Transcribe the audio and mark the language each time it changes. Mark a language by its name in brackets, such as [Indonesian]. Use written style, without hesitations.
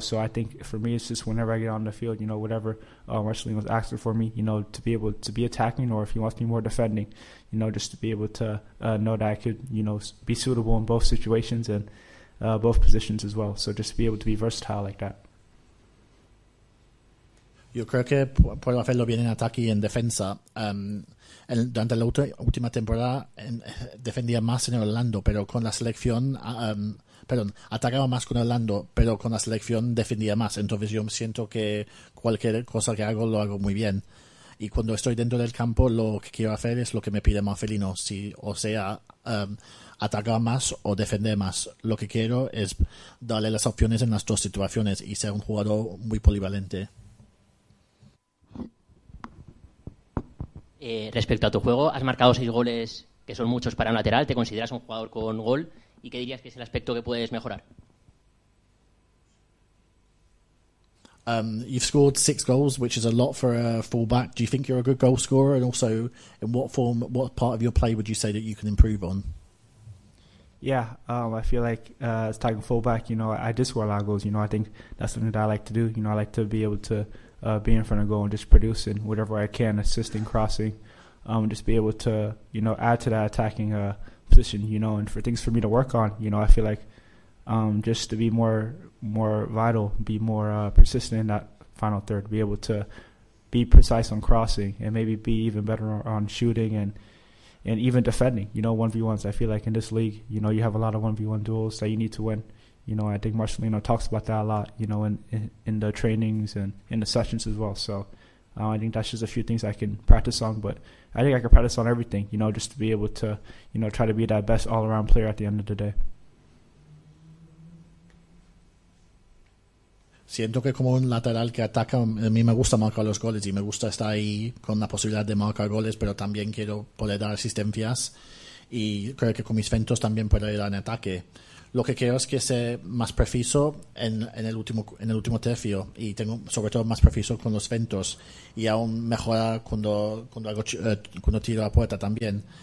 [English] So I think for me, it's just whenever I get on the field, you know, whatever Marcelino was asking for me, you know, to be able to be attacking, or if he wants me more defending, you know, just to be able to know that I could, you know, be suitable in both situations and both positions as well. So just to be able to be versatile like that. [Spanish] Yo creo que puedo hacerlo bien en ataque y en defensa. Durante la última temporada defendía más en Orlando, pero con la selección... atacaba más con Orlando, pero con la selección defendía más. Entonces yo siento que cualquier cosa que hago, lo hago muy bien. Y cuando estoy dentro del campo, lo que quiero hacer es lo que me pide Marcelino. Si, o sea, atacar más o defender más. Lo que quiero es darle las opciones en las dos situaciones y ser un jugador muy polivalente. Respecto a tu juego, has marcado 6 goles, que son muchos para un lateral. ¿Te consideras un jugador con gol? ¿Y qué dirías que es el aspecto que puedes mejorar? [English] You've scored 6 goals, which is a lot for a fullback. Do you think you're a good goal scorer? And also, in what form, what part of your play would you say that you can improve on? Yeah, I feel like as a tackle fullback, you know, I did score a lot of goals. You know, I think that's something that I like to do. You know, I like to be able to be in front of goal and just producing whatever I can, assisting, crossing, just be able to, you know, add to that attacking position, you know, and for things for me to work on, you know, I feel like just to be more vital, be more persistent in that final third, be able to be precise on crossing and maybe be even better on shooting and even defending, you know, 1v1s. I feel like in this league, you know, you have a lot of 1v1 duels that you need to win. You know, I think Marcelino talks about that a lot, you know, in the trainings and in the sessions as well. So I think that's just a few things I can practice on, but I think I can practice on everything, you know, just to be able to, you know, try to be that best all-around player at the end of the day. [Spanish] Siento que como un lateral que ataca, a mí me gusta marcar los goles y me gusta estar ahí con la posibilidad de marcar goles, pero también quiero poder dar asistencias y creo que con mis centros también puedo ayudar en ataque. Lo que quiero es que sea más preciso en el último tercio y tengo sobre todo más preciso con los centros y aún mejora cuando tiro a puerta también.